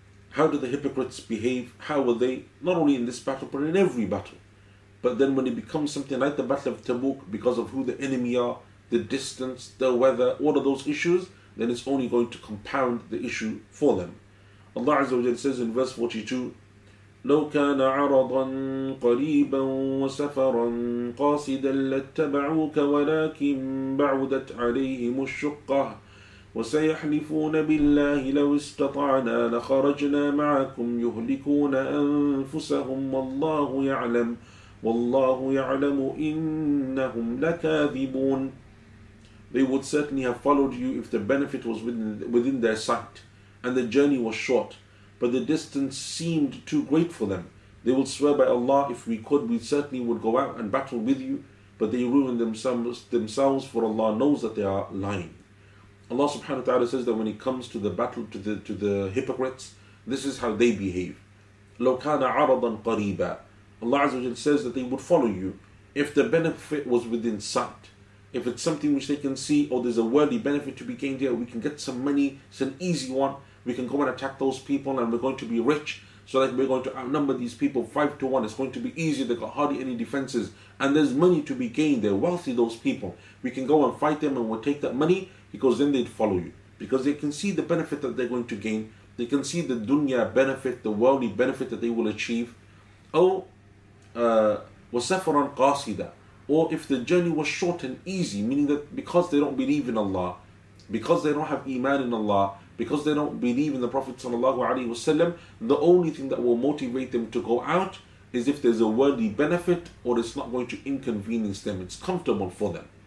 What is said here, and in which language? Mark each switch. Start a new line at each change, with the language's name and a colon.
English: How do the hypocrites behave? How will they, not only in this battle, but in every battle? But then when it becomes something like the Battle of Tabuk, because of who the enemy are, the distance, the weather, all of those issues, then it's only going to compound the issue for them. Allah Azza wa Jalla says in verse 42,
Arabic: لو كان عرضا قريبا وسفرا قاصدا لاتبعوك ولكن بعدت عليهم الشقة وسيحلفون بالله لو استطعنا لخرجنا معكم يهلكون أنفسهم والله يعلم والله يعلم إنهم لكاذبون.
English: They would certainly have followed you if the benefit was within their sight and the journey was short, but the distance seemed too great for them. They will swear by Allah, if we could, we certainly would go out and battle with you, but they ruined themselves, for Allah knows that they are lying. Allah subhanahu wa ta'ala says that when it comes to the battle to the hypocrites, this is how they behave.
Arabic: لو كان عرضا قريبا.
English: Allah Azza wa Jalla says that they would follow you if the benefit was within sight. If it's something which they can see, oh, there's a worldly benefit to be gained here, we can get some money, it's an easy one, we can go and attack those people and we're going to be rich, so like we're going to outnumber these people 5-1, it's going to be easy, they've got hardly any defenses, and there's money to be gained, they're wealthy, those people, we can go and fight them and we'll take that money, because then they'd follow you. Because they can see the benefit that they're going to gain, they can see the dunya benefit, the worldly benefit that they will achieve.
Arabic: Oh, وَسَفَرًا قَاسِدًا.
English: Or if the journey was short and easy, meaning that because they don't believe in Allah, because they don't have iman in Allah, because they don't believe in the Prophet sallallahu alaihi wasallam, the only thing that will motivate them to go out is if there's a worldly benefit or it's not going to inconvenience them, it's comfortable for them.